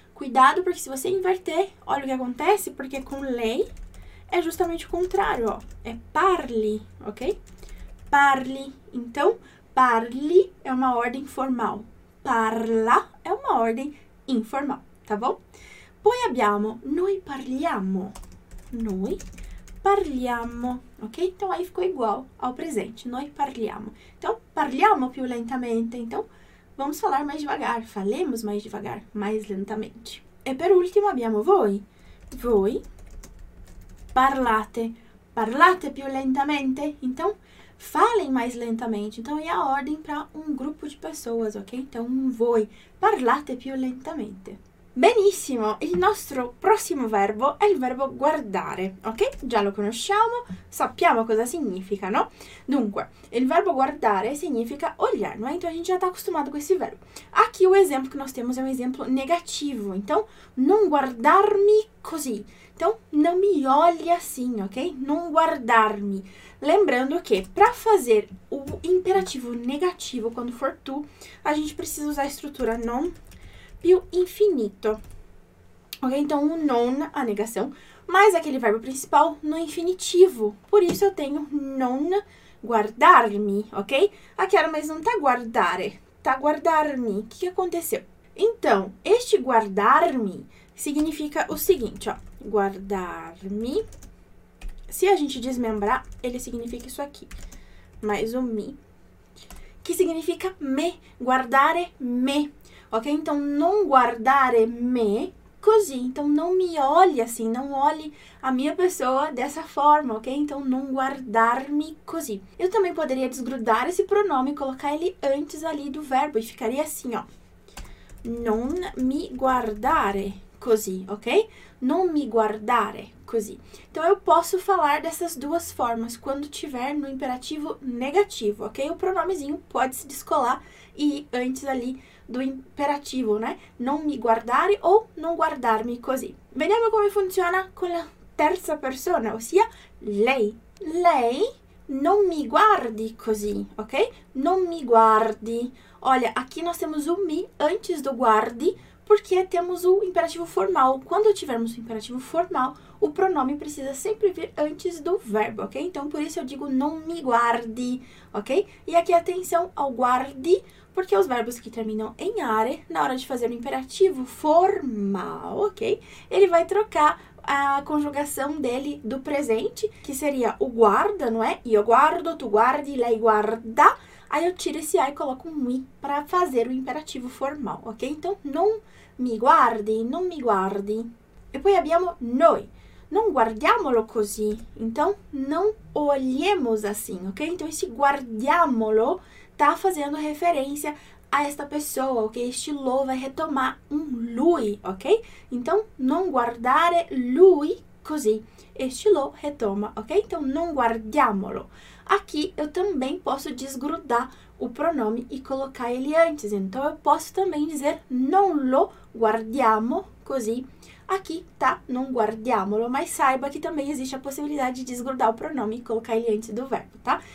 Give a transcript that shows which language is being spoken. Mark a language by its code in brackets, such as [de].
[pt] Cuidado, porque se você inverter, olha o que acontece, porque com lei é justamente o contrário, ó. É parli, ok? Parli. Então, parli é uma ordem formal. Parla é uma ordem informal, tá bom? [it] Poi abbiamo noi parliamo. Noi parliamo, ok? [pt] Então aí ficou igual ao presente. [it] Noi parliamo. Então, parliamo più lentamente. [pt] Então, vamos falar mais devagar. Falemos mais devagar, mais lentamente. [it] E per ultimo abbiamo voi. Voi parlate. Parlate più lentamente. [pt] Então, falem mais lentamente. Então, é a ordem para um grupo de pessoas, ok? [it] Então, voi parlate più lentamente. Benissimo, il nostro prossimo verbo è il verbo guardare, ok? Già lo conosciamo, sappiamo cosa significa, no? [pt] Dunque, il verbo guardare significa olhar, não é? Então a gente já está acostumado com esse verbo. Aqui o exemplo que nós temos é um exemplo negativo, então non guardarmi così. Então não me olhe assim, ok? Non guardarmi. Lembrando que para fazer o imperativo negativo, quando for tu, a gente precisa usar a estrutura non. Più infinito. Ok? Então, o non, a negação, mais aquele verbo principal no infinitivo. Por isso, eu tenho non guardarmi, ok? Aqui era, mas não tá guardare, tá guardarmi. O que aconteceu? Então, este guardarmi significa o seguinte, ó. Guardarmi. Se a gente desmembrar, ele significa isso aqui, mais o mi, que significa me, guardare me. Ok? [it] Então, non guardare me così. [pt] Então, não me olhe assim, não olhe a minha pessoa dessa forma, ok? [it] Então, non guardarmi così. [pt] Eu também poderia desgrudar esse pronome e colocar ele antes ali do verbo e ficaria assim, ó. [it] Non mi guardare così, ok? [pt] Non mi guardare così. Então, eu posso falar dessas duas formas quando tiver no imperativo negativo, ok? O pronomezinho pode se descolar e ir antes ali do imperativo, né? [it] Non mi guardare ou non guardarmi così. Vediamo come funziona con la terza persona, ossia lei. Lei non mi guardi così, ok? Non mi guardi. [pt] Olha, aqui nós temos o mi antes do guardi, porque temos o imperativo formal. Quando tivermos o imperativo formal, o pronome precisa sempre vir antes do verbo, ok? Então, por isso eu digo non mi guardi, ok? E aqui atenção ao guardi, porque os verbos que terminam em are, na hora de fazer o imperativo formal, ok? Ele vai trocar a conjugação dele do presente, que seria o guarda, não é? [it] Io guardo, tu guardi, lei guarda. [pt] Aí eu tiro esse a e coloco um i para fazer o imperativo formal, ok? [it] Então, non mi guardi, non mi guardi. E poi abbiamo noi. Non guardiamolo così. [pt] Então, non olhemos assim, ok? Então, esse guardiamolo tá fazendo referência a esta pessoa, ok? Este lo vai retomar um lui, ok? [it] Então, non guardare lui così. [pt] Este lo retoma, ok? Então, non guardiamolo. Aqui eu também posso desgrudar o pronome e colocar ele antes. Então, eu posso também dizer non lo guardiamo così. Aqui, tá? Não guardiamolo, mas saiba que também existe a possibilidade de desgrudar o pronome e colocar ele antes do verbo, tá?